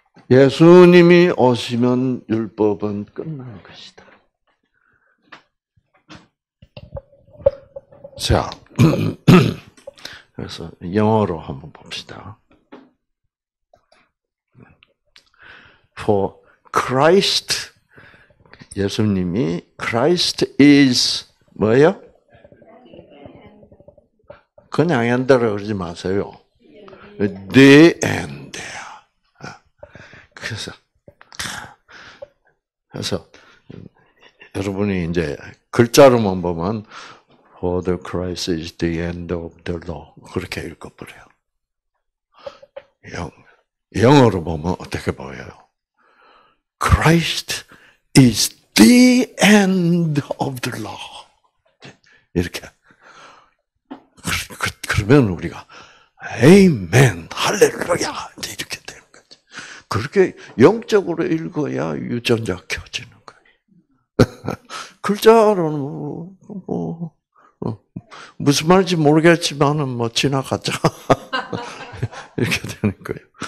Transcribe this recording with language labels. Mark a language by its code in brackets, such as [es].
[ko] 예수님이 오시면 율법은 끝나는 것이다. 자, 그래서 영어로 한번 봅시다. [en] For Christ, [ko] 예수님이 [en] Christ is [ko] 뭐예요? 그냥 엔드라 그러지 마세요. [en] The end. [ko] 그래서 여러분이 이제 글자로만 보면 [en] For the Christ is the end of the law. [ko] 그렇게 읽어버려요. 영어로 보면 어떻게 보여요? [en] Christ is the end of the law. [ko] 이렇게. 그러면 우리가 Amen, Hallelujah 이렇게 되는 거죠. 그렇게 영적으로 읽어야 유전자 켜지는 거예요. 글자로는 뭐 무슨 말인지 모르겠지만은 뭐 지나가자 이렇게 되는 거예요.